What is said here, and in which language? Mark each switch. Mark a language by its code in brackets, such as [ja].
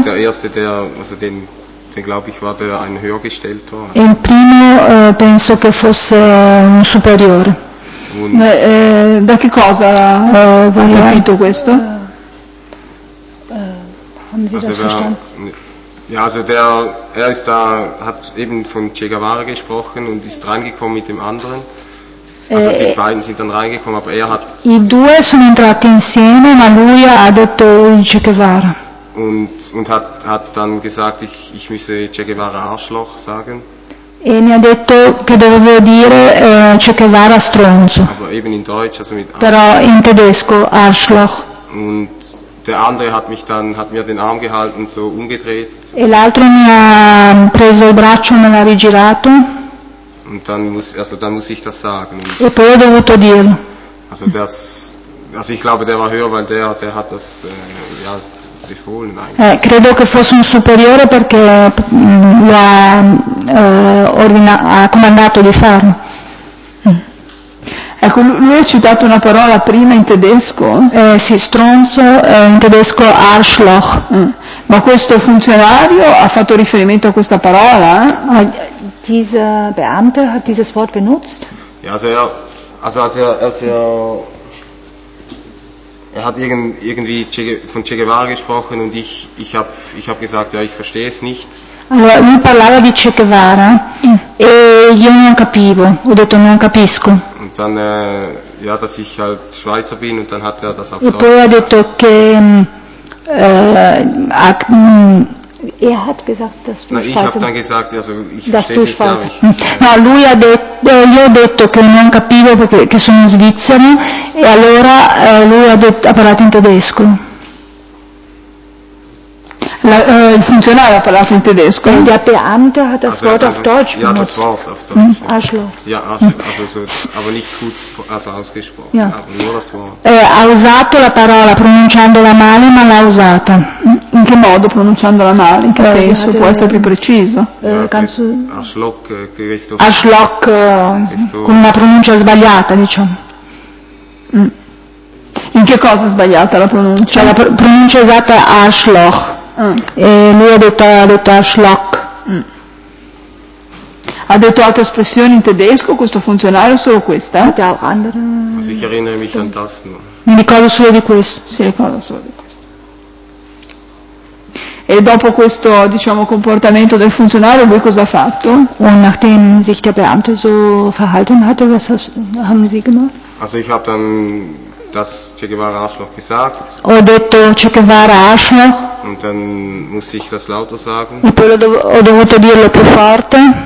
[de] Der erste, der, also den glaube ich, war der ein Höhergestellter. [it] Il primo penso che fosse un superiore. Da che cosa va capito questo? [de] Haben Sie das verstanden? Ja, also der, er ist da, hat eben von Che Guevara gesprochen und ist reingekommen mit dem anderen. Also, die beiden sind dann reingekommen, aber er hat [it] i due sono entrati insieme, ma lui ha detto Che Guevara. [de] Und hat dann gesagt, ich müsse Che Guevara Arschloch sagen. [it] E mi ha detto che dovevo dire Che Guevara stronzo. [de] Aber eben in Deutsch, also mit [it] però in tedesco Arschloch. [de] Und der andere hat mir den Arm gehalten, so umgedreht. [it] E l'altro mi ha preso il braccio e me l'ha rigirato. [de] Und dann muss ich das sagen. [it] E poi ho dovuto dirlo. [de] Also ich glaube, der war höher, weil der hat das ja befohlen. [it] Credo che fosse un superiore perché lo ha ha comandato di farlo. Ecco, lui ha citato una parola prima in tedesco. Sì, stronzo, in tedesco Arschloch. Ma questo funzionario ha fatto riferimento a questa parola? [de] Dieser Beamte hat dieses Wort benutzt? Ja, er hat irgendwie von Che Guevara gesprochen und ich habe gesagt, ja, ich verstehe es nicht. [it] Allora, lui parlava di Che Guevara e io non capivo, ho detto non capisco. [de] Und dann, ja, dass ich halt Schweizer bin und dann hat er das auf Deutsch. [it] E poi ha detto che [de] er hat gesagt, dass du Schweizer. Ich habe dann gesagt, also ich verstehe es nicht. [it] No, lui ha detto, io ho detto che non capivo perché che sono svizzero e allora lui ha parlato in tedesco. Il funzionario ha parlato in tedesco. [de] Und der Beamte hat das Wort auf Deutsch benutzt. Ja, das Wort auf Deutsch. Arschloch. Ja, Arschloch. Aber nicht gut, also ausgesprochen. Ja. Nur das Wort. [it] Ha usato la parola pronunciandola male, ma l'ha usata. In che modo pronunciandola male? In che senso? Può essere più preciso? [de] Arschloch. Arschloch. [it] Con una pronuncia sbagliata, diciamo. In che cosa è sbagliata la pronuncia? La pronuncia esatta è Arschloch. E lui ha detto Arschloch. Ha detto altre espressioni in tedesco questo funzionario, solo questa? Mi ricordo solo di questo. Si ricorda solo di questo. E dopo questo, diciamo, comportamento del funzionario, lui cosa ha fatto? [de] Und nachdem sich der Beamte so verhalten hatte, was haben Sie gemacht? Also ich habe dann das Che Guevara Arschloch gesagt. [it] Ho detto Che Guevara Arschloch. [de] Und dann muss ich das lauter sagen. [it] E poi ho dovuto dirlo più forte.